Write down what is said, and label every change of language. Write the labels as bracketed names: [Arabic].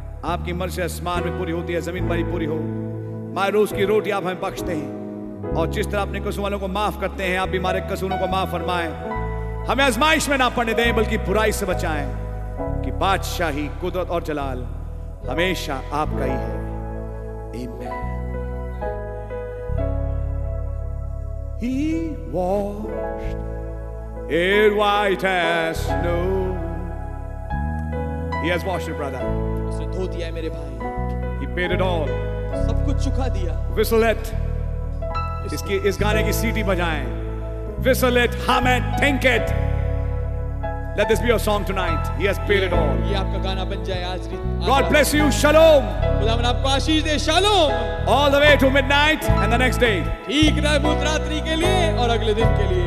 [Hindi] आपकी मर्जी आसमान में पूरी होती है जमीन पर ही पूरी हो. माय रोज की रोटी आप हमें बख्शते हैं. और जिस तरह अपने कसूर वालों को माफ करते हैं आप भी हमारे कसूरों को माफ फरमाएं. हमें आजमाइश में ना पड़ने दें बल्कि बुराई से बचाएं. कि बादशाही कुदरत और जलाल हमेशा आपका ही है. आमीन. [English] He washed it white as snow. He has washed it, brother. [Hindi] उसने धो दिया है मेरे भाई. [English] He paid it all. [Hindi] सब कुछ चुका दिया. [English] Whistle it. [Hindi] इसकी इस गाने की सीटी बजाएं. [English] Whistle it, hum it, think it. Let this be your song tonight. He has paid it all. [Hindi] ये आपका गाना बन जाए आज की. [English] God bless you. Shalom. [Hindi] खुदावन आपको आशीष दे. Shalom. [English] All the way to midnight and the next day. [Hindi] ठीक रहे मुद्रात्रि के लिए और अगले दिन के लिए.